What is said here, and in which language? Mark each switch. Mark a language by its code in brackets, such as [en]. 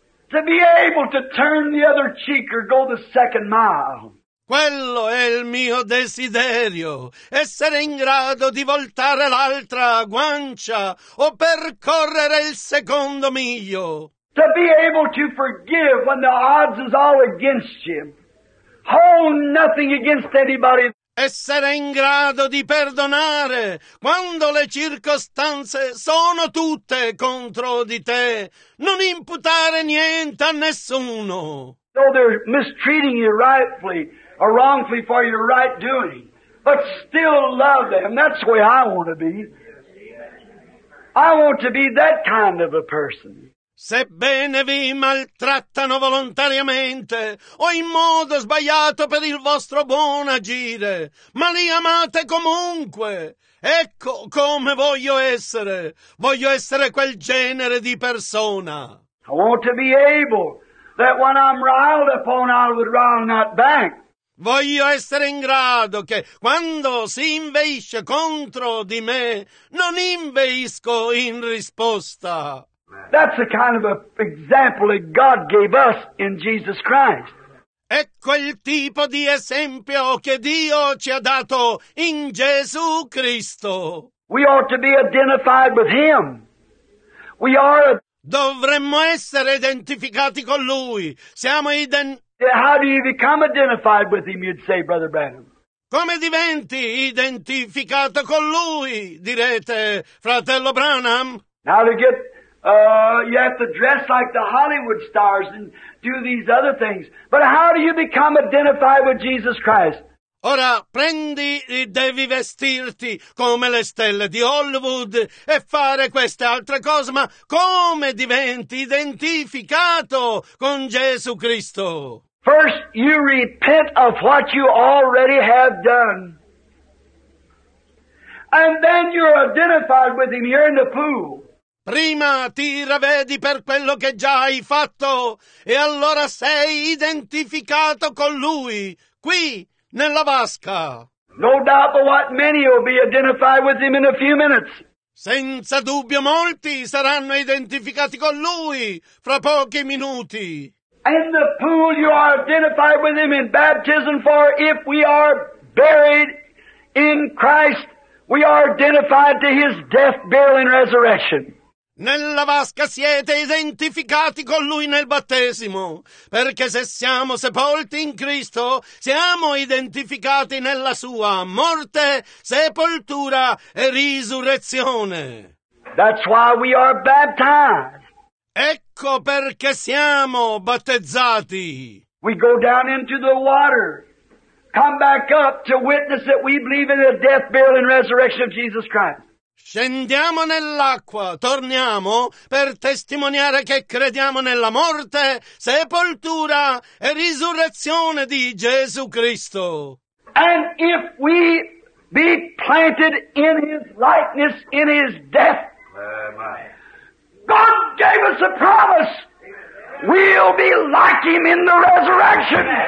[en] To be able to turn the other cheek or go the second mile. [it] Quello è il mio desiderio, essere in grado di voltare l'altra guancia o percorrere il secondo miglio. [en] To be able to forgive when the odds is all against you. Hold nothing against anybody. [it] Essere in grado di perdonare quando le circostanze sono tutte contro di te. Non imputare niente a nessuno. [en] So they're mistreating you rightfully or wrongfully for your right doing, but still love them. That's the way I want to be. I want to be that kind of a person. [it] Sebbene vi maltrattano volontariamente o in modo sbagliato per il vostro buon agire, ma li amate comunque. Ecco come voglio essere. Voglio essere quel genere di persona. [en] I want to be able that when I'm riled upon, I would rile not back. [it] Voglio essere in grado che quando si inveisce contro di me, non inveisco in risposta. [en] That's the kind of a example that God gave us in Jesus Christ. [it] Ecco il tipo di esempio che Dio ci ha dato in Gesù Cristo. [en] We ought to be identified with Him. We are. [it] Dovremmo essere identificati con Lui. Siamo [en] How do you become identified with Him, you'd say, Brother Branham? [it] Come diventi identificato con Lui, direte, fratello Branham? [en] Now to get. You have to dress like the Hollywood stars and do these other things. But how do you become identified with Jesus Christ? [it] Ora, prendi e devi vestirti come le stelle di Hollywood e fare queste altre cose, ma come diventi identificato con Gesù Cristo? [en] First, you repent of what you already have done. And then you're identified with Him here in the pool. [it] Prima ti ravvedi per quello che già hai fatto e allora sei identificato con Lui, qui, nella vasca. [en] No doubt but what many will be identified with Him in a few minutes. [it] Senza dubbio molti saranno identificati con Lui fra pochi minuti. [en] In the pool you are identified with Him in baptism, for if we are buried in Christ, we are identified to His death, burial, and resurrection. [it] Nella vasca siete identificati con Lui nel battesimo, perché se siamo sepolti in Cristo, siamo identificati nella Sua morte, sepoltura e risurrezione. [en] That's why we are baptized. [it] Ecco perché siamo battezzati. [en] We go down into the water, come back up to witness that we believe in the death, burial, and resurrection of Jesus Christ. [it] Scendiamo nell'acqua, torniamo per testimoniare che crediamo nella morte, sepoltura e risurrezione di Gesù Cristo. [en] And if we be planted in His likeness, in His death, God gave us a promise, we'll be like Him in the resurrection.